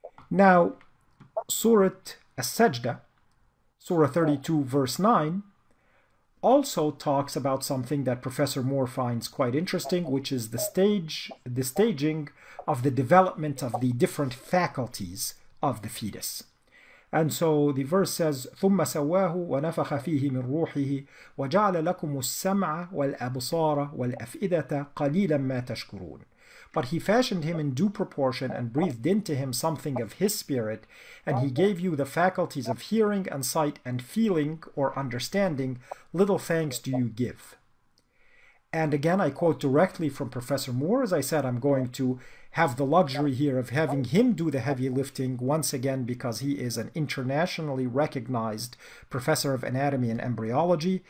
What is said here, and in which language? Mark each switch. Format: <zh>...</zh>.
<en>Now, Surah As-Sajda, Surah 32, verse 9, also talks about something that Professor Moore finds quite interesting, which is the staging of the development of the different faculties of the fetus. And so the verse says,</en> <ar>ثُمَّ سَوَّاهُ وَنَفَخَ فِيهِ مِنْ رُوحِهِ وَجَعْلَ لَكُمُ السَّمْعَ وَالْأَبْصَارَ وَالْأَفْئِدَةَ قَلِيلًا مَا تَشْكُرُونَ.</ar> <en>But he fashioned him in due proportion and breathed into him something of his spirit, and he gave you the faculties of hearing and sight and feeling or understanding. Little thanks do you give. And again, I quote directly from Professor Moore. As I said, I'm going to have the luxury here of having him do the heavy lifting once again, because he is an internationally recognized professor of anatomy and embryology.</en>